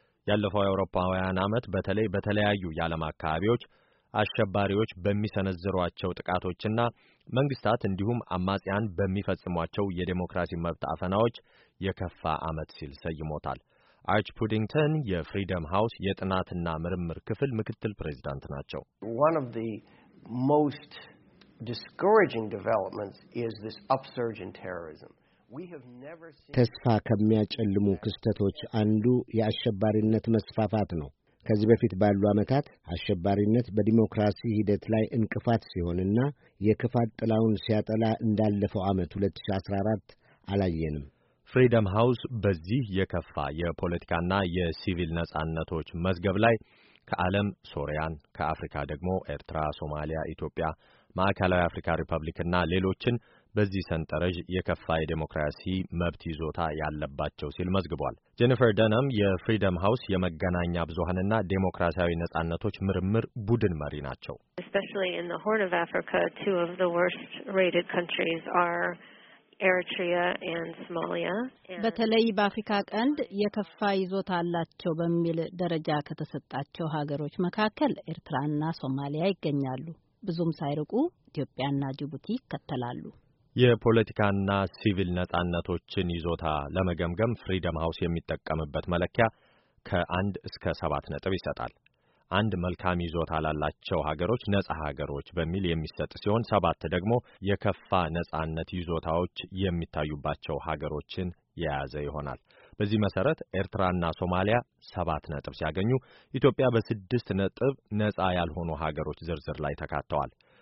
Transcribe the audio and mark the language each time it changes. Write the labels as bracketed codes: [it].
[am] ያለፈው የአውሮፓውያን ዓመት በተለይ በተለያዩ የዓለም አካባቢዎች አሸባሪዎች በሚሰነዝሯቸው ጥቃቶችና መንግስታት እንዲሁም አማጽያን በሚፈጽሟቸው የዴሞክራሲ መብት አፈናዎች የከፋ ዓመት ሲል ሰይሞታል። አርች ፑዲንግተን የፍሪደም ሃውስ የጥናትና ምርምር ክፍል ምክትል ፕሬዚዳንት ናቸው። [en] One of the most discouraging developments is this upsurge in terrorism. [am] ተስፋ ከመያጨልሙ ክስተቶች አንዱ የአሸባሪነት መስፋፋት ነው። ከዚህ በፊት ባሉ አመታት አሸባሪነት በዲሞክራሲ ሂደት ላይ እንቅፋት ሲሆንና የክፋት ጥላውን ሲያጠላ እንዳለፈው አመት 2014 አላየንም። ፍሪደም ሃውስ በዚህ የከፋ የፖለቲካና የሲቪል ነጻነቶች መዝገብ ላይ ከዓለም ሶሪያን፣ ከአፍሪካ ደግሞ ኤርትራ፣ ሶማሊያ፣ ኢትዮጵያ፣ ማዕከላዊ አፍሪካ ሪፐብሊክና ሌሎችን በዚህ ሰንጠረዥ የከፋ የዴሞክራሲ መብት ይዞታ ያለባቸው ሲል መዝግቧል። ጄኒፈር ደናም የፍሪደም ሃውስ የመገናኛ ብዙሃንና ዴሞክራሲያዊ ነጻነቶች ምርምር ቡድን መሪ ናቸው። [en] Especially in the Horn of Africa, two of the worst rated countries are Eritrea and Somalia. [am] በተለይ በአፍሪካ ቀንድ የከፋ ይዞታ አላቸው በሚል ደረጃ ከተሰጣቸው ሀገሮች መካከል ኤርትራና ሶማሊያ ይገኛሉ። ብዙም ሳይርቁ ኢትዮጵያና ጅቡቲ ይከተላሉ። የፖለቲካና ሲቪል ነጻነቶችን ይዞታ ለመገምገም ፍሪደም ሃውስ የሚጠቀምበት መለኪያ ከአንድ እስከ 7 ነጥብ ይሰጣል። አንድ መልካም ይዞታ ላላቸው ሀገሮች ነጻ ሀገሮች በሚል የሚሰጥ ሲሆን 7 ደግሞ የከፋ ነጻነት ይዞታዎች የሚታዩባቸው ሀገሮችን የያዘ ይሆናል። በዚህ መሰረት ኤርትራና ሶማሊያ 7 ነጥብ ሲያገኙ ኢትዮጵያ በ6 ነጥብ ነጻ ያልሆኑ ሀገሮች ዝርዝር ላይ ተካተዋል።